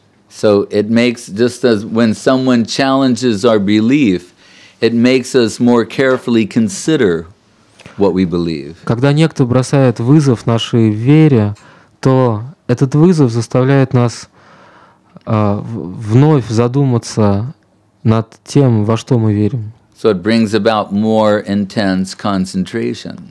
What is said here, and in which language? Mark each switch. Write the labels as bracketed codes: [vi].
[en] So it makes, just as when someone challenges our belief, it makes us more carefully consider what we believe. [ru] Когда некто бросает вызов нашей вере, то этот вызов заставляет нас вновь задуматься над тем, во что мы верим. [en] So it brings about more intense concentration.